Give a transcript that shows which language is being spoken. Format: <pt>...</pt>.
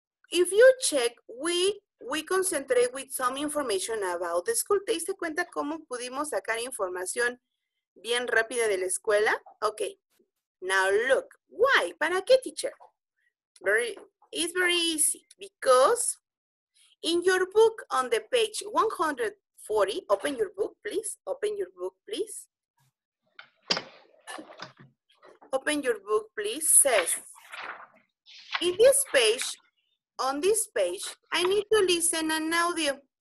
<en>If you check, we concentrate with some information about the school.</en> <es>¿Te diste cuenta cómo pudimos sacar información bien rápida de la escuela?</es> <en>Okay. Now look, why?</en> <es>¿Para qué, teacher?</es> <en>It's very easy, because in your book on the page 140, open your book, please. Open your book, please. Open your book, please, says, in this page, on this page, I need to listen an audio.</en>